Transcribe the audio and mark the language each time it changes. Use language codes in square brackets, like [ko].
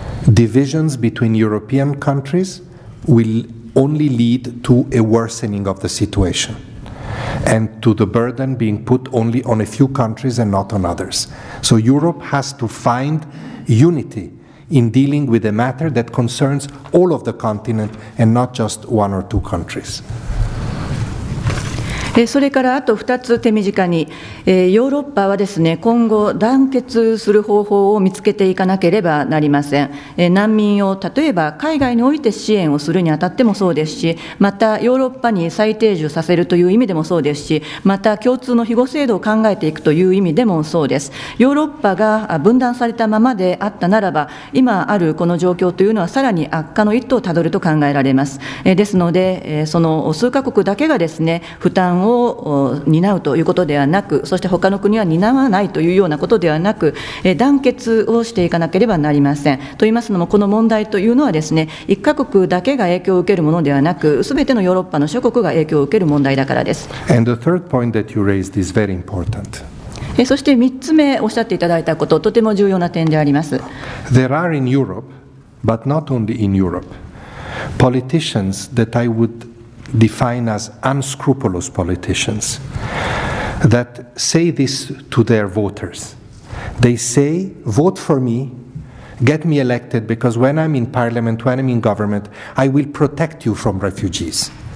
[en] Divisions between European countries will only lead to a worsening of the situation and to the burden being put only on a few countries and not on others. So Europe has to find unity in dealing with a matter that concerns all of the continent and not just one or two countries. [ja] それからあと2つ手短に、ヨーロッパはですね、今後団結する方法を見つけていかなければなりません。難民を例えば海外において支援をするにあたってもそうですし、またヨーロッパに再定住させるという意味でもそうですし、また共通の庇護制度を考えていくという意味でもそうです。ヨーロッパが分断されたままであったならば、今あるこの状況というのはさらに悪化の一途をたどると考えられます。ですので、その数カ国だけがですね、負担を担うということではなく、そして他の国は担わないというようなことではなく、団結をしていかなければなりません。と言いますのも、この問題というのはですね、一カ国だけが影響を受けるものではなく、すべてのヨーロッパの諸国が影響を受ける問題だからです。 [en] And the third point that you raised is very important. [ja] そして3つ目おっしゃっていただいたこと、とても重要な点であります。 [en] There are in Europe, but not only in Europe, politicians that I wouldDefine as unscrupulous politicians that say this to their voters. They say, vote for me, get me elected, because when I'm in parliament, when I'm in government, I will protect you from refugees.